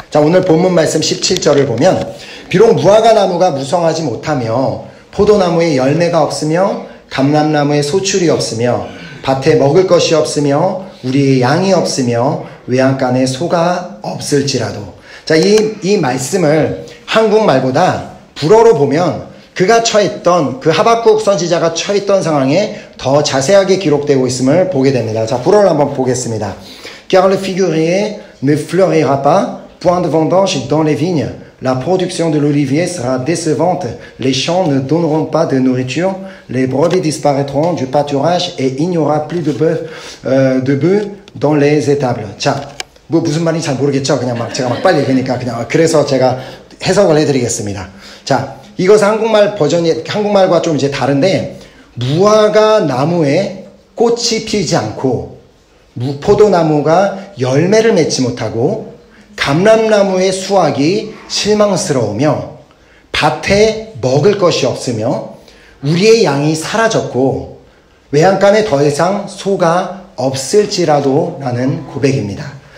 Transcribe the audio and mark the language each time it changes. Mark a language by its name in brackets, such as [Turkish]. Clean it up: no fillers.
[Korean] 자, 오늘 본문 말씀 17절을 보면, 비록 무화과나무가 무성하지 못하며 포도나무에 열매가 없으며 감람나무에 소출이 없으며 밭에 먹을 것이 없으며 우리의 양이 없으며 외양간에 소가 없을지라도. 자, 이 말씀을 한국말보다 불어로 보면 그가 처했던, 그 하박국 선지자가 처했던 상황에 더 자세하게 기록되고 있음을 보게 됩니다. 자, 불어를 한번 보겠습니다. [French] Car le figuier ne fleurira pas, point de vendange dans les vignes. La production de l'olivier sera décevante, les champs ne donneront pas de nourriture, les brebis disparaîtront du pâturage et il n'y aura plus de bœufs dans les étables. [Korean] 자, 뭐 무슨 말인지 잘 모르겠죠? 그냥 막 제가 막 빨리 읽으니까 그냥 그래서 제가 해석을 해드리겠습니다. 자, 이것은 한국말 버전이, 한국말과 좀 이제 다른데, 무화과 나무에 꽃이 피지 않고, 포도나무가 열매를 맺지 못하고, 감람나무의 수확이 실망스러우며, 밭에 먹을 것이 없으며, 우리의 양이 사라졌고, 외양간에 더 이상 소가 없을지라도 라는 고백입니다.